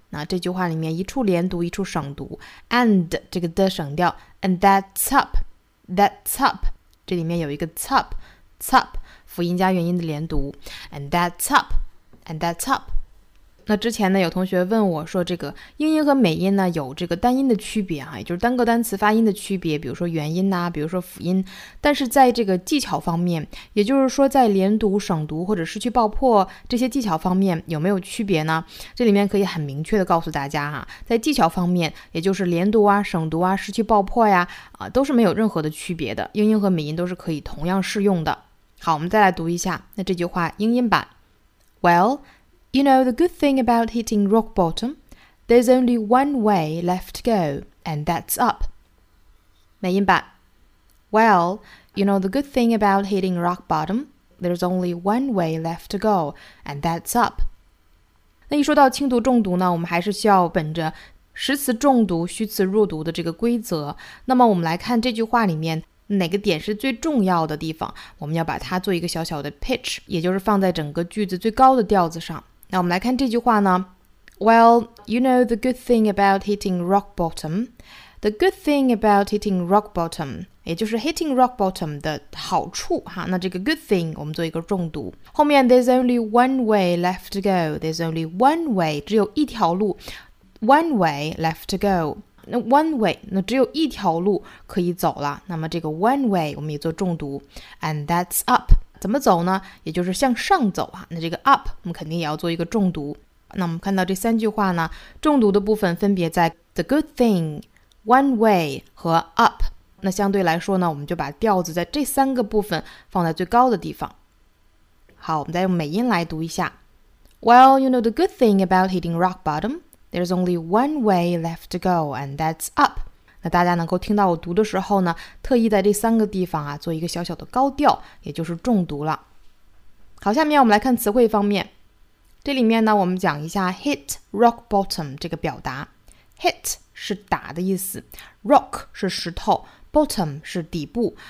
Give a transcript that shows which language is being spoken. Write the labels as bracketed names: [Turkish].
[Chinese] 那这句话里面一处连读一处省读 and 这个的省掉 [English] and that's up [Chinese] 这里面有一个 top 辅音加元音的连读 and that's up 那之前呢有同学问我说这个英音和美音呢有这个单音的区别啊，也就是单个单词发音的区别，比如说元音啊，比如说辅音，但是在这个技巧方面，也就是说在连读省读或者失去爆破这些技巧方面有没有区别呢？这里面可以很明确的告诉大家哈，在技巧方面，也就是连读啊省读啊失去爆破呀啊，都是没有任何的区别的，英音和美音都是可以同样适用的。好，我们再来读一下那这句话英音版。 [English] WellYou know the good thing about hitting rock bottom? There's only one way left to go, and that's up. [Chinese] 美音版。 [English] Well, you know the good thing about hitting rock bottom? There's only one way left to go, and that's up. [Chinese] 那一说到轻读重读呢，我们还是需要本着实词重读、虚词弱读的这个规则。那么我们来看这句话里面哪个点是最重要的地方，我们要把它做一个小小的 pitch, 也就是放在整个句子最高的调子上。那我们来看这句话呢 [English] Well, you know the good thing about hitting rock bottom. The good thing about hitting rock bottom, [Chinese] 也就是 [English] hitting rock bottom [Chinese] 的好处哈。那这个 good thing 我们做一个重读。后面 [English] there's only one way left to go. There's only one way, [Chinese] 只有一条路。 [English] One way left to go. [Chinese] 那 one way, 那只有一条路可以走了。那么这个 one way 我们也做重读。 [English] And that's up. [Chinese] 怎么走呢？也就是向上走啊。那这个 up 我们肯定也要做一个重读。那我们看到这三句话呢，重读的部分分别在 the good thing、 one way 和 up。那相对来说呢，我们就把调子在这三个部分放在最高的地方。好，我们再用美音来读一下。 [English] Well, you know the good thing about hitting rock bottom, there's only one way left to go, and that's up。 [Chinese] 那大家能够听到我读的时候呢，特意在这三个地方啊做一个小小的高调，也就是重读了。好，下面我们来看词汇方面。这里面呢，我们讲一下 hit rock bottom 这个表达。 hit 是打的意思， rock 是石头， bottom 是底部。